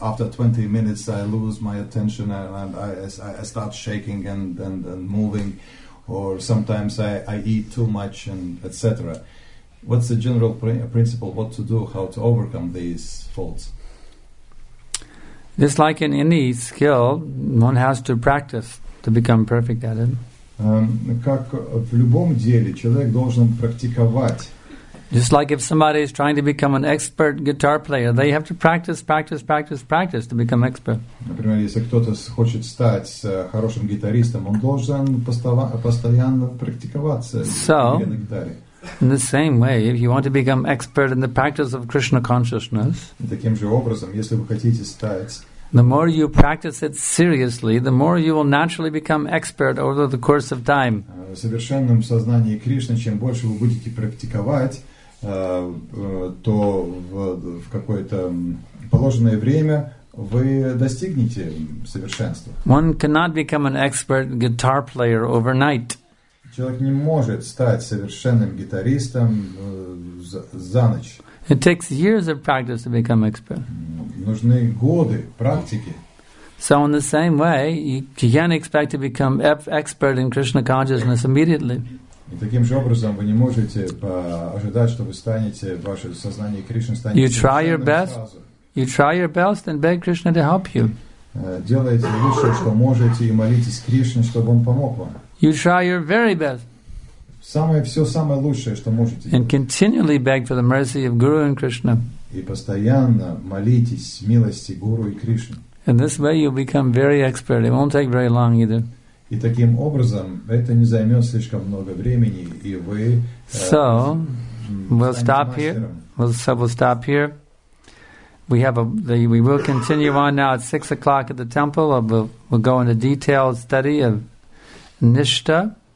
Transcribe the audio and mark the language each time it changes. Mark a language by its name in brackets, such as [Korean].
[English] After 20 minutes, I lose my attention and I start shaking and moving. Or sometimes I eat too much and etc. What's the general principle? What to do? How to overcome these faults? Just like in any skill, one has to practice to become perfect at it. [Russian] Как в любом деле человек должен практиковать. [English] Just like if somebody is trying to become an expert guitar player, they have to practice to become expert. [Russian] Например, если кто-то хочет стать хорошим гитаристом, он должен постоянно практиковаться. [English] So, in the same way, if you want to become expert in the practice of Krishna consciousness, [Russian] таким же образом, если вы хотите стать. [English] The more you practice it seriously, the more you will naturally become expert over the course of time. [Russian] В совершенном сознании Кришны, чем больше вы будете практиковать, то в какое-то положенное время вы достигнете совершенства. [English] One cannot become an expert guitar player overnight. [Russian] Человек не может стать совершенным гитаристом за ночь. [English] It takes years of practice to become expert. [Russian] Нужны годы практики. [English] So in the same way, you can't expect to become expert in Krishna consciousness immediately. [Russian] И таким же образом вы не можете ожидать, что вы станете, ваше сознание Кришны станет. [English] You try your best. You try your best and beg Krishna to help you. [Russian] Делайте лучшее, что можете, и молитесь Кришне, чтобы он помог вам. [English] You try your very best. [Russian] Самое все самое лучшее, что можете сделать. [English] And continually beg for the mercy of Guru and Krishna. [Russian] И постоянно молитесь милости Гуру и Кришны. [English] In this way you'll become very expert. It won't take very long either. [Russian] И таким образом это не займет слишком много времени, и вы. [English] So we'll stop here. We will continue on now at 6 o'clock at the temple. We'll go into detailed study of Nishta.